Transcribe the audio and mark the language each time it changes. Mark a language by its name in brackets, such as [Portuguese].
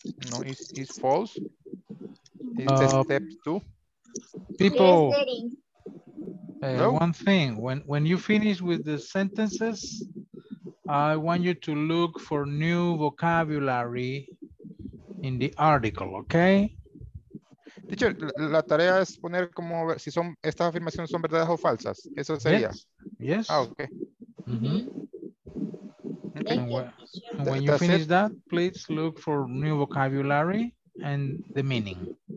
[English] No, it's false. It's step two. People, one thing, when you finish with the sentences, I want you to look for new vocabulary in the article, okay? [Spanish] Teacher, la tarea es poner como ver si son estas afirmaciones son verdaderas o falsas. Eso sería. [English] Yes. Yes. Ah, okay. Mm-hmm. And when you finish that, please look for new vocabulary and the meaning.